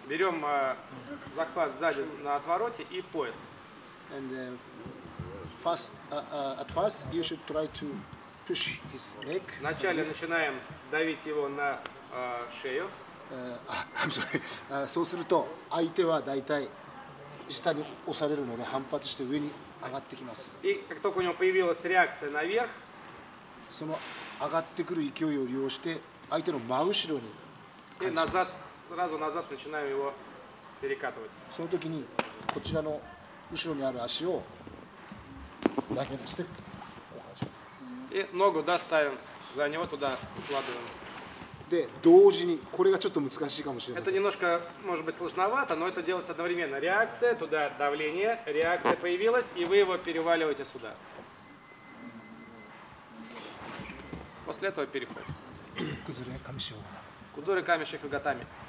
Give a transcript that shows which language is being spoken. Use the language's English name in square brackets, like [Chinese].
[Russian] Берем захват сзади на отвороте и пояс. [English] And fast, at first you should try to push his neck. [Russian] Вначале начинаем давить его на шею. [English] I'm sorry. [Japanese] そうすると相手はだいたい下に押されるので反発して上に上がってきます。 [Russian] И как только у него появилась реакция наверх. [Japanese] その上がってくる勢いを利用して相手の真後ろに返します。 [Russian] Сразу назад начинаем его перекатывать. [Japanese] その時にこちらの後ろにある足を投げ出して。 [Russian] И ногу да ставим за него туда укладываем. [Japanese] で同時にこれがちょっと難しいかもしれません。 [Russian] Это немножко может быть сложновато, но это делается одновременно. Реакция туда давление, реакция появилась и вы его переваливаете сюда. После этого переход. Кудзуре камеши хоготами. Кудзуре камеши хоготами.